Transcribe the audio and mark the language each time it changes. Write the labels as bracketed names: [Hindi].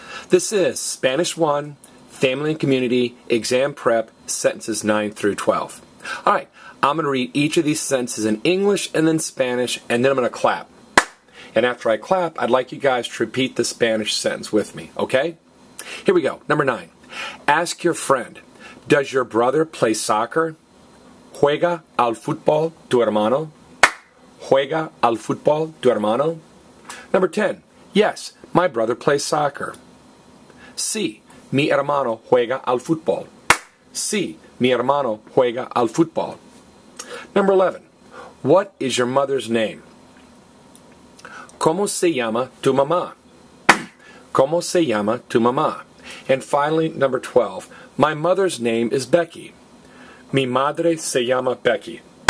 [English] This is Spanish 1, Family and Community, Exam Prep, Sentences 9 through 12. All right, I'm going to read each of these sentences in English and then Spanish, and then I'm going to clap. And after I clap, I'd like you guys to repeat the Spanish sentence with me, okay? Here we go. Number 9. Ask your friend, does your brother play soccer? [Spanish] ¿Juega al fútbol tu hermano? ¿Juega al fútbol tu hermano? [English] Number 10. Yes, my brother plays soccer. [Spanish] Sí, mi hermano juega al fútbol. Sí, mi hermano juega al fútbol. [English] Number 11. What is your mother's name? [Spanish] ¿Cómo se llama tu mamá? ¿Cómo se llama tu mamá? [English] And finally, number 12. My mother's name is Becky. [Spanish] Mi madre se llama Becky.